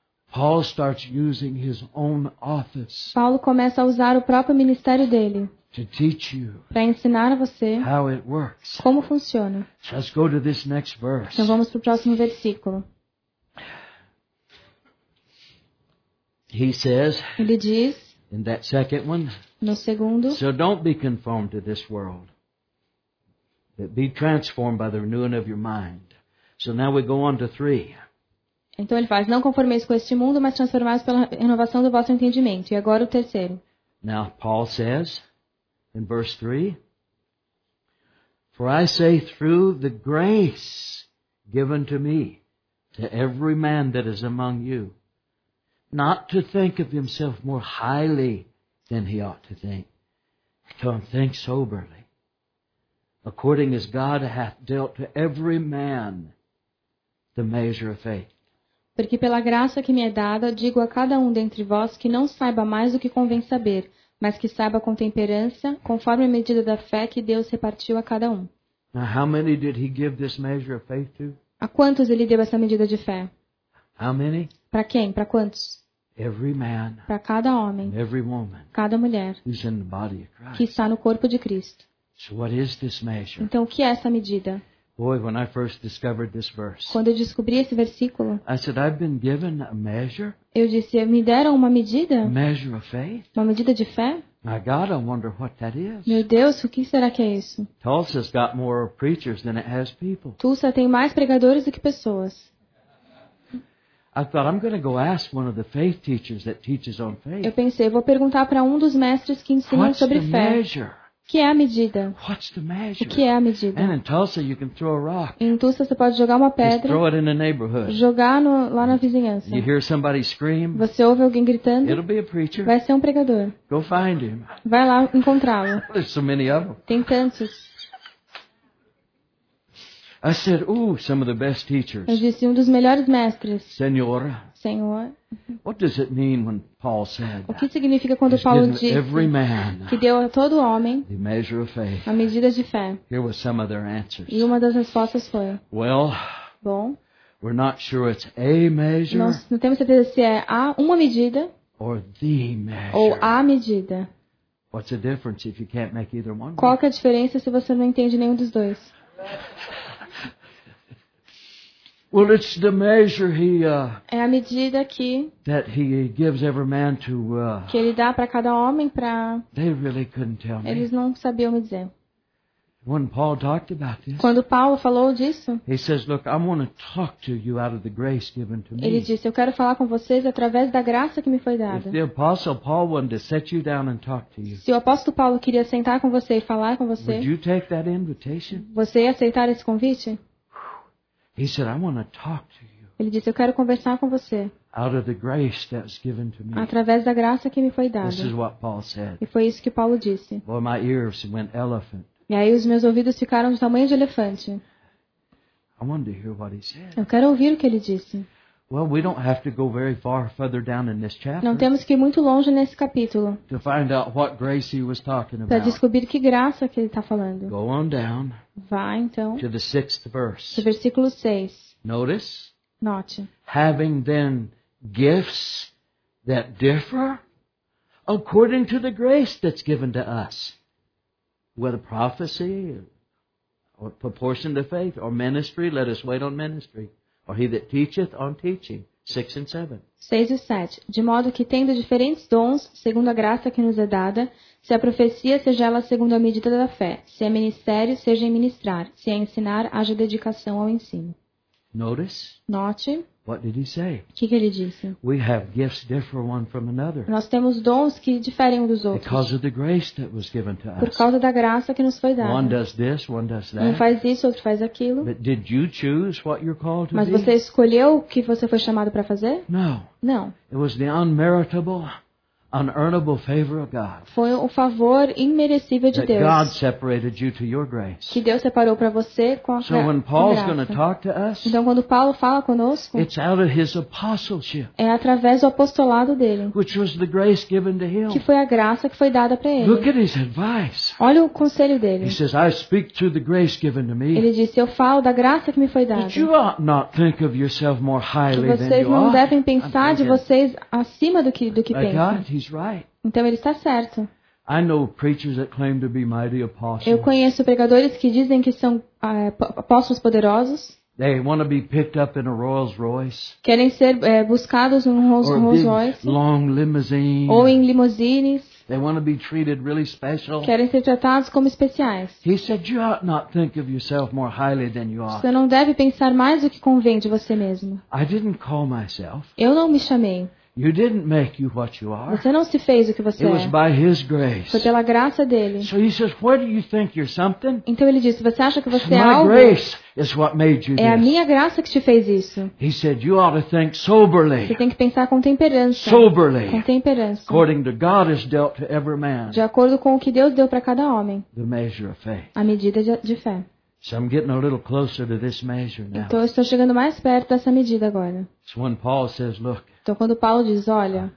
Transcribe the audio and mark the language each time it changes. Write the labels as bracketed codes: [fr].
[en] Paul starts using his own office. [pt] Paulo começa a usar o próprio ministério dele. [en] To teach you [pt] para ensinar a você [en] how it works. [pt] Como funciona. [en] Let's go to this next verse. [pt] Então vamos para o próximo versículo. [en] He says, [pt] ele diz. [en] In that second one, [pt] no segundo, [en] so don't be conformed to this world, but be transformed by the renewing of your mind. So now we go on to three. [pt] Então ele faz, não conformeis com este mundo, mas transformais pela renovação do vosso entendimento. E agora o terceiro. [en] Now Paul says, in verse 3, for I say through the grace given to me to every man that is among you, not to think of himself more highly than he ought to think, to think soberly, according as God hath dealt to every man the measure of faith. [pt] Porque pela graça que me é dada, digo a cada um dentre vós que não saiba mais do que convém saber, mas que saiba com temperança, conforme a medida da fé que Deus repartiu a cada um. [en] Now, how many did he give this measure of faith to? [pt] A quantos ele deu essa medida de fé? [en] How many? [pt] Para quem? Para quantos? [en] Every man, [pt] para cada homem, [en] every woman, [pt] cada mulher [en] is in the body of Christ, [pt] que está no corpo de Cristo. [en] So what is this measure? [pt] Então, o que é essa medida? [en] Boy, when I first discovered this verse, [pt] quando eu descobri esse versículo, [en] I said, I've been given a measure? [pt] Eu disse, me deram uma medida? [en] A measure of faith? [pt] Uma medida de fé? [en] My God, I wonder what that is. [pt] Meu Deus, o que será que é isso? [en] Tulsa's got more preachers than it has people. [pt] Tulsa tem mais pregadores do que pessoas. [en] I thought I'm going to go ask one of the faith teachers that teaches on faith. [pt] Eu pensei, vou perguntar para um dos mestres que ensina sobre fé. [en] What's the measure? [pt] Que é a medida? [en] What's the measure? [pt] O que é a medida? [en] And in Tulsa, you can throw a rock. [pt] Em Tulsa, você pode jogar uma pedra. [en] Just throw it in the neighborhood. [pt] Jogar no, lá na vizinhança. [en] You hear somebody scream? [pt] Você ouve alguém gritando? [en] It'll be a preacher. [pt] Vai ser um pregador. [en] Go find him. [pt] Vai lá encontrá-lo. [en] There's so many of them. [pt] Tem tantos. [en] I said, "Ooh, some of the best teachers." [pt] Eu disse, um dos melhores mestres. Senhora. Senhor. [en] What does it mean when Paul said? [pt] O que significa quando Paulo disse? [en] Every man. [pt] Que deu a todo homem. [en] The measure of faith. [pt] A medida de fé. [en] Here was some of their answers. [pt] E uma das respostas foi. [en] Well. [pt] Bom. [en] We're not sure it's a measure. [pt] Nós não temos certeza se é a uma medida. [en] Or the measure. [pt] Ou a medida. [en] What's the difference if you can't make either one? [pt] Qual que é a diferença se você não entende nenhum dos dois? [en] Well, it's the measure he [pt] é a medida que [en] that he gives every man to [pt] que ele dá para cada homem para [en] they really couldn't tell me. [pt] Eles não sabiam me dizer. [en] When Paul talked about this, [pt] quando Paulo falou disso, [en] he says, "Look, I want to talk to you out of the grace given to me." [pt] Ele disse, "Eu quero falar com vocês através da graça que me foi dada." [en] If the apostle Paul wanted to set you down and talk to you, [pt] se o apóstolo Paulo queria sentar com você e falar com você, [en] would you take that invitation? [pt] Você ia aceitar esse convite? [en] He said, "I want to talk to you." [pt] Ele disse, "Eu quero conversar com você." [en] Out of the grace that's given to me. [pt] Através da graça que me foi dada. [en] This is what Paul said. [pt] E foi isso que Paulo disse. [en] Boy, my ears went elephant. [pt] E aí os meus ouvidos ficaram do tamanho de elefante. [en] I wanted to hear what he said. [pt] Eu quero ouvir o que ele disse. [en] Well, we don't have to go very far further down in this chapter. [pt] Não temos que ir muito longe nesse capítulo. [en] To find out what grace he was talking about. [pt] Para descobrir que graça que ele está falando. [en] Go on down. [pt] Vá então. [en] To the sixth verse. [pt] Do versículo 6. [en] Notice. [pt] Note. [en] Having then gifts that differ according to the grace that's given to us, whether prophecy or proportion to faith or ministry, let us wait on ministry. Or he that teacheth on teaching. 6 and 7. [pt] 6 e 7. De modo que, tendo diferentes dons, segundo a graça que nos é dada, se a profecia, seja ela segundo a medida da fé, se é ministério, seja em ministrar, se é ensinar, haja dedicação ao ensino. [en] Notice. [pt] Note. [en] What did he say? [pt] Que ele disse? [en] We have gifts differ one from another. [pt] Nós temos dons que diferem um dos outros. [en] Because of the grace that was given to us. [pt] Por causa da graça que nos foi dada. [en] One does this, one does that. [pt] Um faz isso, outro faz aquilo. [en] But did you choose what you're called to [pt] Mas [en] be? [pt] Você escolheu o que você foi chamado para fazer? [en] No. [pt] Não. [en] It was the unmeritable, unearnable favor of God. [pt] Foi o favor imerecível de Deus. [en] God separated you to your grace. [pt] Que Deus separou para você com a graça. [en] So when Paul's going to talk to us, [pt] então quando Paulo fala conosco, [en] it's out of his apostleship. [pt] É através do apostolado dele. [en] Which was the grace given to him. [pt] Que foi a graça que foi dada para ele. [en] Look at his advice. [pt] Olha o conselho dele. [en] He says, "I speak to the grace given to me." [pt] Ele disse, eu falo da graça que me foi dada. [en] But you ought not think of yourself more highly than you are. [pt] Vocês não devem pensar de vocês acima do que pensam. Então ele está certo. [en] I know preachers that claim to be mighty apostles. [pt] Eu conheço pregadores que dizem que são apóstolos poderosos. [en] They want to be picked up in a Rolls Royce. [pt] Querem ser buscados em Rolls Royce. [en] Long limousine. [pt] Ou em limousines. [en] They want to be treated really special. [pt] Querem ser tratados como especiais. [en] He said, "You ought not think of yourself more highly than you are." [pt] Você não deve pensar mais do que convém de você mesmo. [en] I didn't call myself. [pt] Eu não me chamei. [en] You didn't make you what you are. [pt] Você não se fez o que você [en] é. It was by his grace. [pt] Foi pela graça dele. [en] So he says, "Why do you think you're something?" [pt] Então ele disse, você acha que você é [en] my [pt] algo? [en] My grace is what made you [pt] é [en] this. [pt] É a minha graça que te fez isso. [en] He said, "You ought to think soberly." [pt] Você tem que pensar com temperança. [en] Soberly. [pt] Com temperança. [en] According to God has dealt to every man. [pt] De acordo com o que Deus deu para cada homem. [en] The measure of faith. [pt] A medida de fé. [en] So I'm getting a little closer to this measure now. [pt] Então eu estou chegando mais perto dessa medida agora. [en] So when Paul says, "Look." [pt] Então quando Paulo diz, olha,